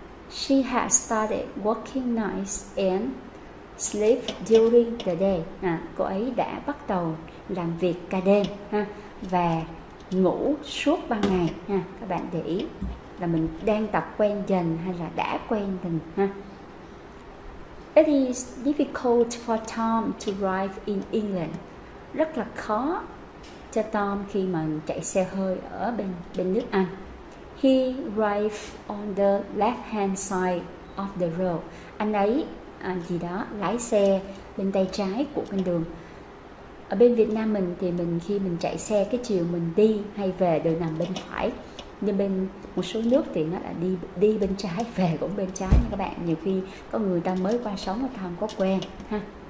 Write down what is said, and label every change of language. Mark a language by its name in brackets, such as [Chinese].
[English] She has started working nights and sleep during the day. [Vietnamese] Cô ấy đã bắt đầu làm việc ca đêm ha, và ngủ suốt ban ngày ha. Các bạn để ý là mình đang tập quen dần hay là đã quen dần ha. [English] It is difficult for Tom to drive in England. [Vietnamese] Rất là khó cho Tom khi mà chạy xe hơi ở bên bên nước Anh. [English] He drives on the left hand side of the road. [Vietnamese] Anh ấy gì đó lái xe bên tay trái của con đường. Ở bên Việt Nam mình thì mình khi mình chạy xe cái chiều mình đi hay về đều nằm bên phải, nhưng bên một số nước thì nó là đi đi bên trái về cũng bên trái nha các bạn. Nhiều khi có người ta mới qua sống ở thăm có quen ha.